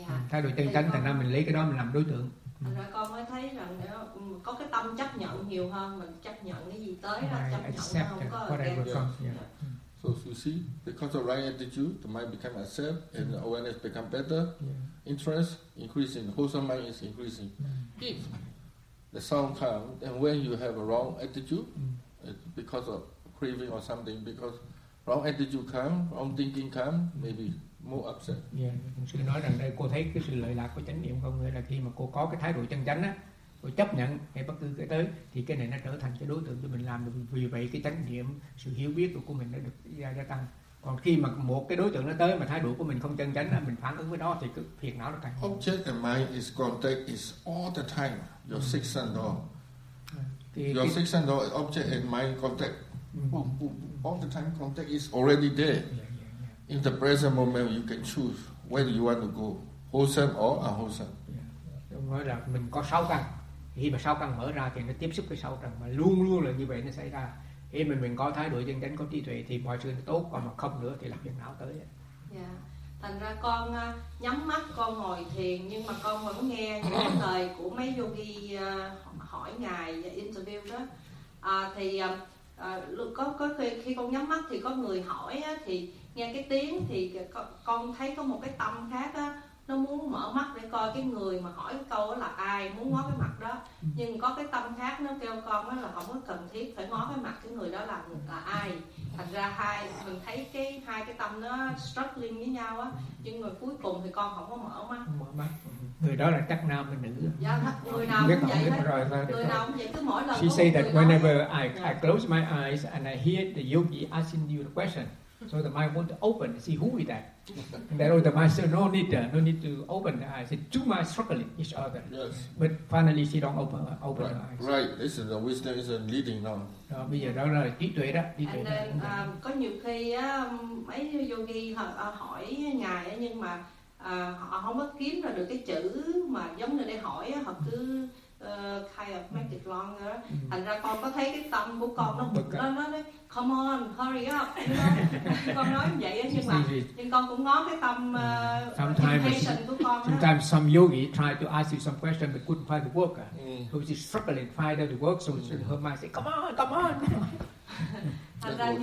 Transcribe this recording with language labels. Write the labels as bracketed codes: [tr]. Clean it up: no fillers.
[vi] Thái độ chân chánh thành ra mình lấy cái đó mình làm đối tượng. Con mới thấy rằng có cái tâm chấp nhận nhiều hơn, mình chấp nhận cái gì tới [en] So you see, because of right attitude, the mind become accept, and the awareness become better, interest increasing, wholesome mind is increasing. If the sound comes, then when you have a wrong attitude, because of craving or something, because wrong attitude come, wrong thinking come, maybe more upset. [vi] Yeah, sư nói rằng đây cô thấy cái sự lợi lạc của chánh niệm không, nghĩa là khi mà cô có cái thái độ chân chánh á, cô chấp nhận hay bất cứ cái tới, thì cái này nó trở thành cái đối tượng cho mình làm được. Vì vậy cái chánh niệm, sự hiểu biết của mình nó được gia tăng. Còn khi mà một cái đối tượng nó tới mà thái độ của mình không chân chánh á, mình phản ứng với nó thì cứ phiền não nó càng. [en] Object and mind is contact is all the time. Your six sense door. Your six sense door, object and mind contact. Boom, boom, boom. All the time contact is already there. In the present moment, you can choose where you want to go, wholesome or unwholesome. [vi] Nói là mình có sáu căn. Khi mà sáu căn mở ra thì nó tiếp xúc với sáu căn, mà luôn luôn là như vậy nó xảy ra. Khi mà mình có thái độ chân chánh, có trí tuệ thì mọi sự nó tốt, còn mà không nữa thì làm việc nào tới. Thành ra con nhắm mắt con ngồi thiền, nhưng mà con vẫn nghe những lời của mấy yogi hỏi ngài interview đó. Thì có khi con nhắm mắt thì có người hỏi thì nghe cái tiếng, thì con thấy có một cái tâm khác nó muốn mở mắt để coi cái người mà hỏi câu là ai, muốn ngó cái mặt đó. Nhưng có cái tâm khác nó kêu con là không có cần thiết phải ngó cái mặt cái người đó là ai. Thành ra hai mình thấy cái hai cái tâm nó [en] struggling [vi] với nhau á, nhưng mà cuối cùng thì con không có mở mắt. Người đó là chắc nam hay nữ? Dạ, người nào cũng biết vậy. Biết rồi, người nào cũng vậy, cứ mỗi lần [en] she say that whenever I close my eyes and I hear the yogi asking you the question, so the mind want to open and see who is that. And that was the master, no need to open the eyes. It's too much struggling each other. Yes. But finally she don't open right. her eyes. Right, this is the wisdom is a leading now. [vi] Bây giờ đó là trí tuệ đó. [en] And then, [vi] có nhiều khi mấy yogi hỏi ngài, nhưng mà ngài họ không có kiếm ra được cái chữ mà giống như để hỏi á, họ cứ [en] kind of make it longer. [vi] Thành ra con có thấy cái tâm của con nó bực lên, nó nói [en] come on hurry up, [vi] con nói như vậy á, nhưng con cũng ngó cái tâm [en] impatience [vi] của con á. [en] Sometimes some yogi try to ask you some question but couldn't find the work, so she's struggling to find out the work, so she her mind say come on.